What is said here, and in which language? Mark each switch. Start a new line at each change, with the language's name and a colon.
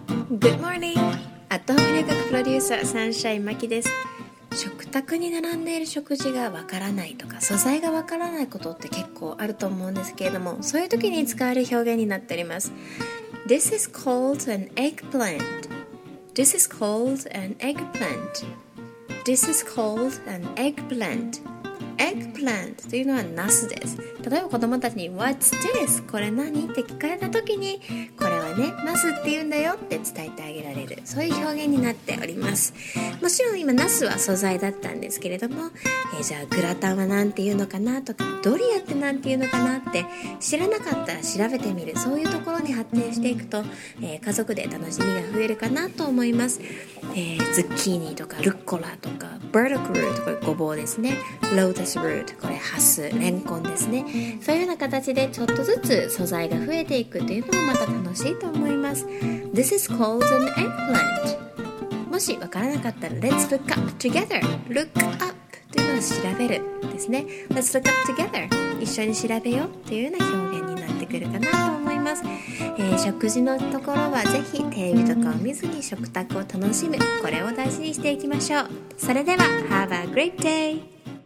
Japanese: Good morning! アットホーム留学プロデューサーサンシャイン真希です。食卓に並んでいる食事がわからないとか素材がわからないことって結構あると思うんですけれども、そういう時に使われる表現になっております。
English: This is called an eggplant. This is called an eggplant. This is called an eggplant.
Japanese: Eggplant というのはナスです。例えば子供たちに What's this? これ何って聞かれた時に、これはねナスって言うんだよって伝えてあげられる、そういう表現になっております。もちろん今ナスは素材だったんですけれども、じゃあグラタンは何て言うのかなとか、ドリアって何て言うのかなって知らなかったら調べてみる、そういうところに発展していくと、家族で楽しみが増えるかなと思います。ズッキーニとかルッコラとかバートクルート、これごぼうですね。ロータスルート、これハス、レンコンですね。そういうような形でちょっとずつ素材が増えていくというのもまた楽しいと思います。
English: This is called an eggplant.
Japanese: もしわからなかったら Let's look up together. Look up というのは調べるですね。
English: Let's look up together.
Japanese: 一緒に調べようというような表現になってくるかなと思います。食事のところはぜひテレビとかを見ずに食卓を楽しむ、これを大事にしていきましょう。それでは Have a great day!